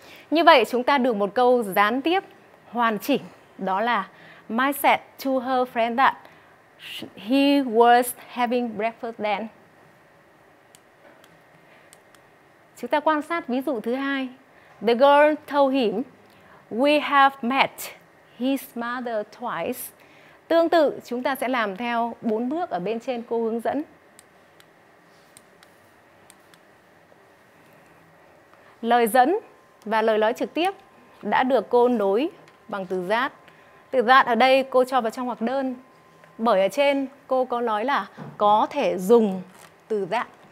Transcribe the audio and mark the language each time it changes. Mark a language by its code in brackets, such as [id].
[vi] Như vậy chúng ta được một câu gián tiếp hoàn chỉnh, đó là [en] Mai said to her friend that he was having breakfast then. [vi] Chúng ta quan sát ví dụ thứ 2. [en] The girl told him, we have met his mother twice. [vi] Tương tự, chúng ta sẽ làm theo 4 bước ở bên trên cô hướng dẫn. Lời dẫn và lời nói trực tiếp đã được cô nối bằng từ that. Từ that ở đây cô cho vào trong ngoặc đơn. Bởi ở trên cô có nói là có thể dùng từ that.